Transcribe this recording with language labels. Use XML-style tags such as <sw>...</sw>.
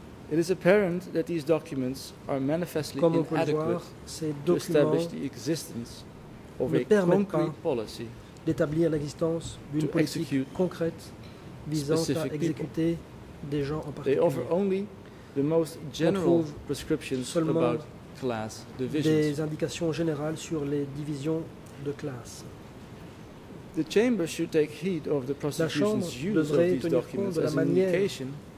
<en>It is apparent that these documents are manifestly inadequate to establish the existence of a concrete policy</en> <fr>d'établir l'existence d'une politique concrète visant à exécuter des gens en particulier.</fr> <en>They offer only the most general prescriptions about class divisions.</en> <fr>Des indications générales sur les divisions de classe.</fr> <en>The chamber should take heed of the prosecution's use of these documents as an indication</en>